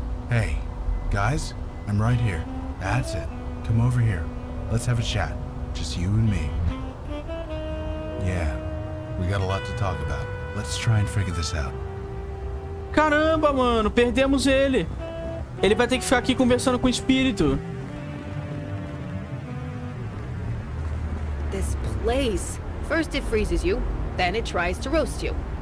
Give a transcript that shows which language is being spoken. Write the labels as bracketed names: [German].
[English] Hey, guys, I'm right here. That's it. Come over here. Let's have a chat. Just you and me. Yeah, we got a lot to talk about. Let's try and figure this out. [Portuguese] Caramba, mano, perdemos ele. Ele vai ter que ficar aqui conversando com o espírito. [English] This place. First it freezes you, then it tries to roast you.